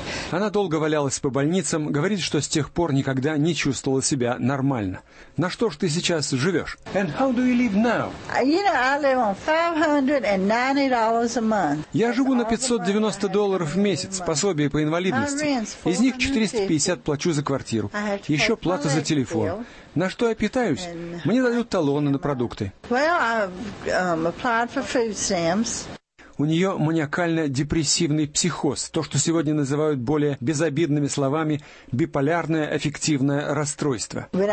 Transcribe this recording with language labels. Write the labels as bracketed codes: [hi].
[ru] Она долго валялась по больницам, говорит, что с тех пор никогда не чувствовала себя нормально. На что ж ты сейчас живешь? [en] And how do you live now? You know, I live on $590 a month. [ru] Я живу на $590 в месяц, пособие по инвалидности. Из них 450 плачу за квартиру. Еще плата за телефон. На что я питаюсь? Мне дают талоны на продукты. [en] Well, I've applied for food stamps. [ru] У нее маниакально-депрессивный психоз, то, что сегодня называют более безобидными словами биполярное аффективное расстройство.